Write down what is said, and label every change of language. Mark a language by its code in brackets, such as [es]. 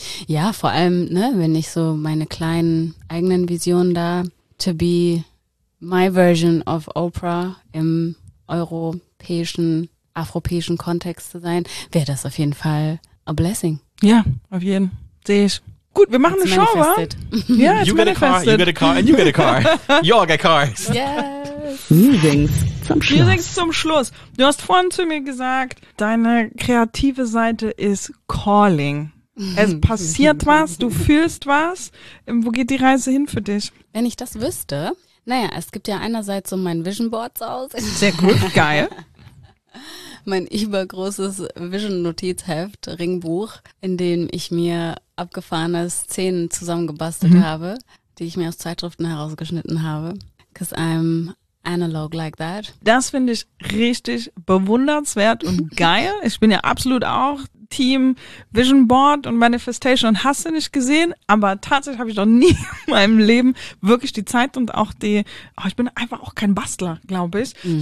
[de] Ja, vor allem, ne, wenn ich so meine kleinen eigenen Visionen da, [en] to be my version of Oprah [de] im europäischen, afropäischen Kontext zu sein, wäre das auf jeden Fall [en] a blessing. [de] Ja, auf jeden. Sehe ich. Gut, wir machen eine Show, wa? Ja, [en] you get a car, you get a car, and you get a car. You all get cars. Yes. [de] Musings zum Schluss. Du hast vorhin zu mir gesagt, deine kreative Seite ist calling. Es passiert was, du fühlst was. Wo geht die Reise hin für dich? Wenn ich das wüsste, naja, es gibt ja einerseits so mein Vision Board aus. Sehr gut, geil. Mein übergroßes Vision-Notizheft, Ringbuch, in dem ich mir abgefahrene Szenen zusammengebastelt habe, die ich mir aus Zeitschriften herausgeschnitten habe. [en] 'Cause I'm analog like that. [de] Das finde ich richtig bewundernswert und geil. Ich bin ja absolut auch Team Vision Board und Manifestation und hast du nicht gesehen, aber tatsächlich habe ich noch nie in meinem Leben wirklich die Zeit und auch ich bin einfach auch kein Bastler, glaube ich. Mhm.